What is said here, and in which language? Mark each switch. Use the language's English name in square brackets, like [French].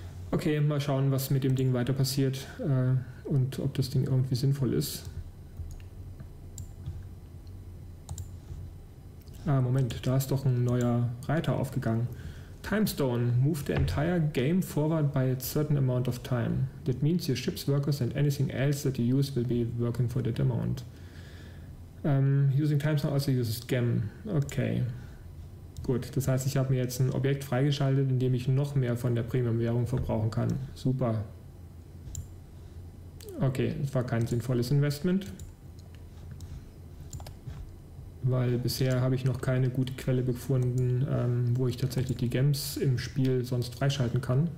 [German] Okay, mal schauen, was mit dem Ding weiter passiert und ob das Ding irgendwie sinnvoll ist. Ah, Moment, da ist doch ein neuer Reiter aufgegangen. [English] Timestone, move the entire game forward by a certain amount of time. That means your ship's workers and anything else that you use will be working for that amount. Using Timestone also uses Gem. Okay. [German] Gut, das heißt, ich habe mir jetzt ein Objekt freigeschaltet, in dem ich noch mehr von der Premium-Währung verbrauchen kann. Super. Okay, das war kein sinnvolles Investment. Weil bisher habe ich noch keine gute Quelle gefunden, wo ich tatsächlich die Gems im Spiel sonst freischalten kann.